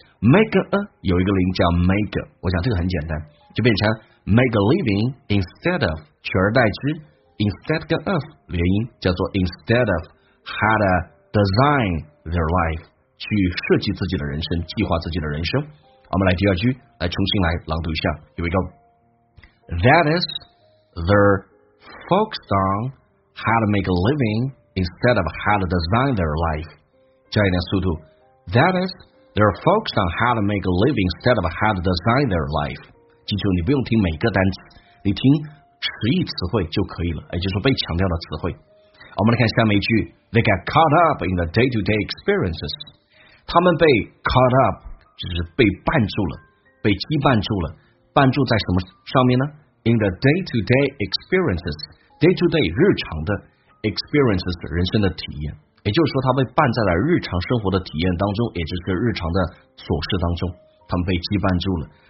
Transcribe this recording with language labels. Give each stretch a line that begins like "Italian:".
Chinese: make a 有一个零叫 make， 我想这个很简单，就变成
English: make a living instead of，
Chinese: 取而代之 instead 跟 of 元音叫做
English: instead of how to design their life，
Chinese: 去设计自己的人生，计划自己的人生。我们来第二句，来重新来朗读一下。
English: Here we go. That is, they're focused on how to make a living instead of how to design their life.
Chinese: 加一点速度。
English: That is, they're focused on how to make a living instead of how to design their life.
Chinese: 记住，你不用听每个单词，你听词义词汇就可以了，也就是说被强调的词汇。我们来看下面一句。
English: They get caught up in the day-to-day experiences.
Chinese: 他们被 caught up。就是被绊住了，被羁绊住了，绊住在什么上面呢？
English: In the day to day experiences，
Chinese: day to day 日常的 experiences 人生的体验，也就是说他被绊在了日常生活的体验当中，也就是日常的琐事当中，他们被羁绊住了。